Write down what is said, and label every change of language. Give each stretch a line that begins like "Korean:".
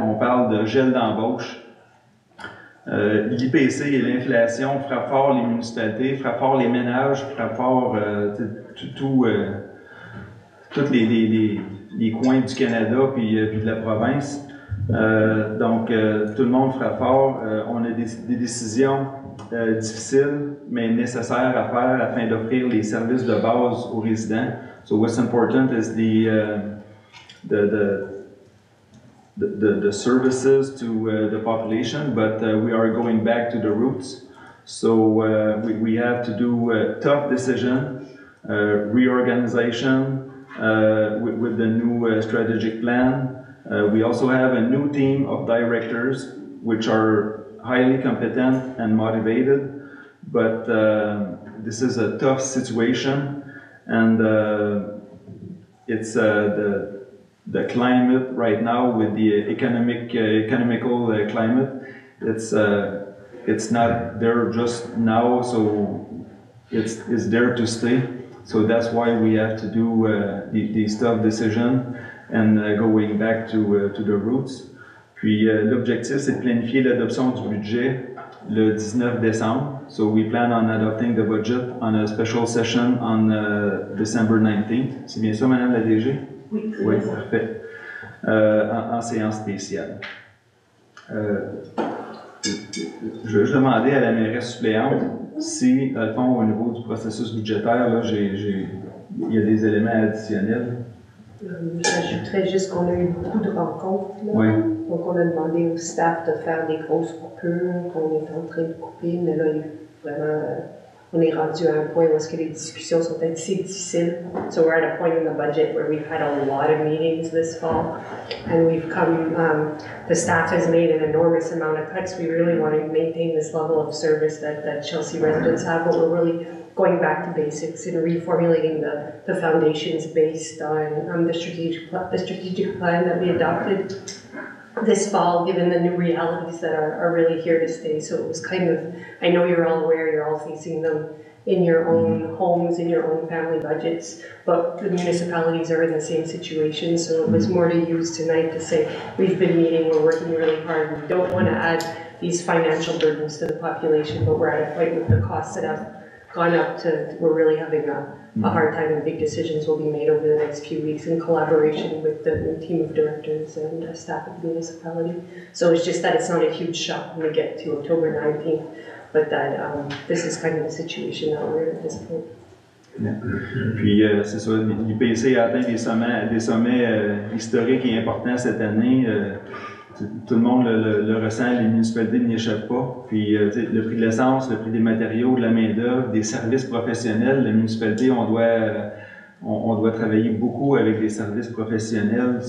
French: On parle de gel d'embauche. L'IPC et l'inflation frappent fort les municipalités, frappent fort les ménages, frappent fort tous les coins du Canada puis de la province. Donc, tout le monde fera fort. On a des décisions difficiles, mais nécessaires à faire afin d'offrir les services de base aux résidents.
English: So, what's important is the services to the population, but we are going back to the roots. So, we have to do tough decisions, reorganization with the new strategic plan. We also have a new team of directors, which are highly competent and motivated, but this is a tough situation, and it's the climate right now with the economical climate, it's not there just now, so it's there to stay. So that's why we have to do these tough decisions and going back to the roots.
French: Puis l'objectif, c'est de planifier l'adoption du budget le 19 décembre.
English: So we plan on adopting the budget on a special session on December 19th.
French: C'est bien ça, Madame la DG? Oui, oui, bien parfait. En séance spéciale. Je vais juste demander à la mairesse suppléante si, à le fond, au niveau du processus budgétaire, là, il y a des éléments additionnels. J'ajouterais juste qu'on a eu beaucoup de rencontres. Là. Oui. Donc, on a demandé au staff de faire des grosses coupures qu'on est en train de couper, mais là, vraiment, on est rendu à un point où est-ce que les discussions sont assez difficiles.
English: So, we're at a point in the budget where we've had a lot of meetings this fall, and we've come, the staff has made an enormous amount of cuts. We really want to maintain this level of service that Chelsea residents have, but we're really going back to basics and reformulating the foundations based on the strategic plan that we adopted this fall, given the new realities that are really here to stay. So it was kind of, I know you're all aware, you're all facing them in your own homes, in your own family budgets, but the municipalities are in the same situation. So it was more to use tonight to say, we've been meeting, we're working really hard, we don't want to add these financial burdens to the population, but we're at a point with the costs that have gone up to, we're really having a hard time, and big decisions will be made over the next few weeks in collaboration with the team of directors and staff of the municipality. So it's just that it's not a huge shock when we get to October 19th, but that this is kind of the situation that we're in at this point.
French: Puis c'est ça, l'UPC a atteint des sommets historiques et importants cette année. Tout le monde le ressent, les municipalités n'y échappent pas. Puis le prix de l'essence, le prix des matériaux, de la main-d'œuvre, des services professionnels, les municipalités, on doit travailler beaucoup avec les services professionnels.